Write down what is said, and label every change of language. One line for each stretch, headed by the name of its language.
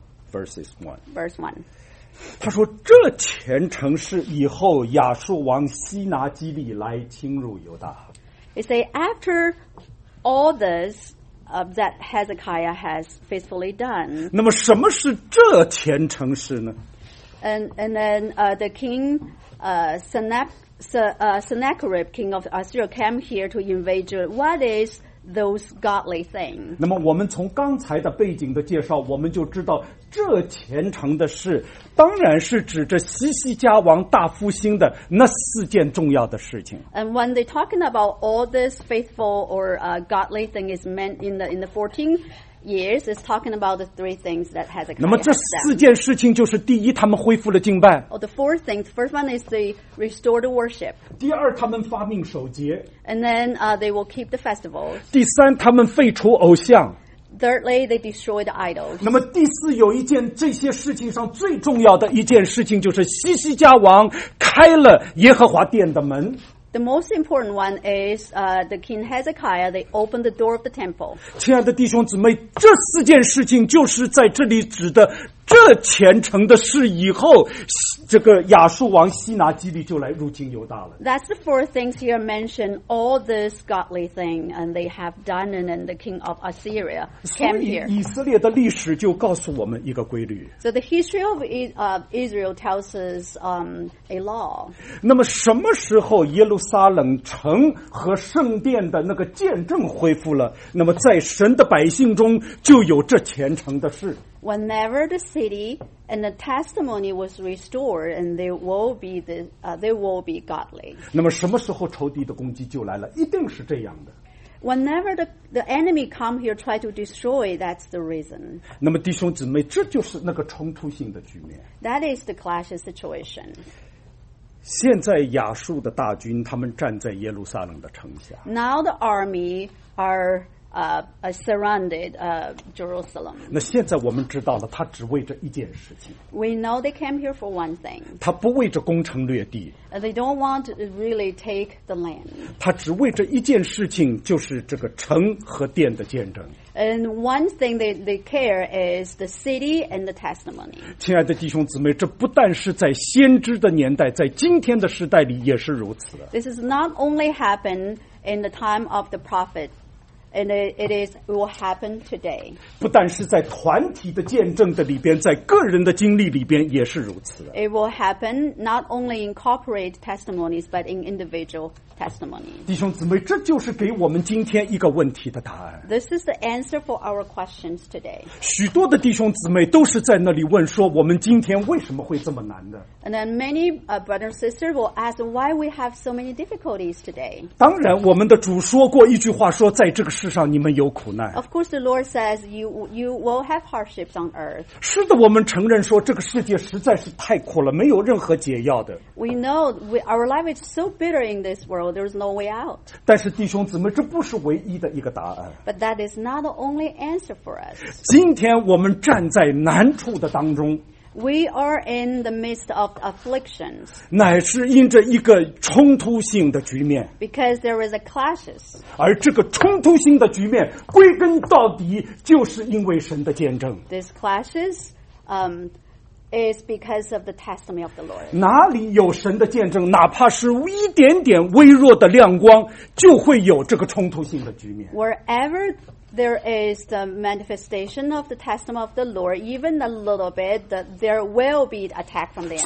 English: 32, verse 1.
Chinese: 他说这前程是以后亚述王希拿基利来侵入犹大。
English: He say after all this that Hezekiah has faithfully done.
Chinese: 那么什么是这前程是呢？
English: And then the king Sennacherib, king of Assyria, came here to invade Judah. What is those godly things?
Chinese: 那么我们从刚才的背景的介绍，我们就知道这前程的事，当然是指着西西家王大复兴的那四件重要的事情。
English: And when they talking about all this faithful or godly thing is meant in the 14 years, is talking about the three things that has occurred.
Chinese: 那么这四件事情就是：第一，他们恢复了敬拜。
English: Oh, the four things. First one is they restored worship.
Chinese: 第二，他们发命守节。
English: And then they will keep the festivals.
Chinese: 第三，他们废除偶像。
English: Thirdly, they destroyed the idols.
Chinese: 那么第四，有一件这些事情上最重要的一件事情，就是西西家王开了耶和华殿的门。
English: The most important one is the King Hezekiah, they opened the door of the temple.
Chinese: 亲爱的弟兄姊妹，这四件事情就是在这里指的这虔诚的事以后，这个亚述王西拿基利就来入侵犹大了。
English: That's the four things here mentioned. All this godly thing, and they have done, and then the king of Assyria came here.
Chinese: 所以以色列的历史就告诉我们一个规律。
English: So the history of Israel tells us a law.
Chinese: 那么什么时候耶路撒冷城和圣殿的那个见证恢复了？那么在神的百姓中就有这虔诚的事。
English: Whenever the city and the testimony was restored, and they will be godly.
Chinese: 那么什么时候仇敌的攻击就来了？一定是这样的。
English: Whenever the enemy come here try to destroy, that's the reason.
Chinese: 那么弟兄姊妹，这就是那个冲突性的局面。
English: That is the clash situation.
Chinese: 现在亚述的大军他们站在耶路撒冷的城下。
English: Now the army are. Surrounded Jerusalem.
Chinese: 那现在我们知道了，他只为这一件事情。
English: We know they came here for one thing.
Chinese: 他不为这攻城略地。
English: They don't want to really take the land.
Chinese: 他只为这一件事情，就是这个城和殿的见证。
English: And one thing they care is the city and the testimony.
Chinese: 亲爱的弟兄姊妹，这不但是在先知的年代，在今天的时代里也是如此。
English: This is not only happened in the time of the prophet. And it will happen today.
Chinese: 不但是在团体的见证的里边，在个人的经历里边也是如此。
English: It will happen not only in corporate testimonies, but in individual testimonies.
Chinese: 弟兄姊妹，这就是给我们今天一个问题的答案。
English: This is the answer for our questions today.
Chinese: 许多的弟兄姊妹都是在那里问说，我们今天为什么会这么难的？
English: And then many brothers and sisters will ask why we have so many difficulties today.
Chinese: 当然，我们的主说过一句话，说在这个世上你们有苦难。
English: Of course, the Lord says you will have hardships on earth.
Chinese: 是的，我们承认说这个世界实在是太苦了，没有任何解药的。
English: We know our life is so bitter in this world. There's no way out.
Chinese: 但是弟兄姊妹，这不是唯一的一个答案。
English: But that is not the only answer for us.
Chinese: 今天我们站在难处的当中。
English: We are in the midst of afflictions.
Chinese: 乃是因着一个冲突性的局面。
English: Because there is a clashes.
Chinese: 而这个冲突性的局面，归根到底就是因为神的见证。
English: These clashes, is because of the testimony of the Lord.
Chinese: 哪里有神的见证，哪怕是一点点微弱的亮光，就会有这个冲突性的局面。
English: Wherever there is the manifestation of the testimony of the Lord, even a little bit, that there will be attack from the enemy.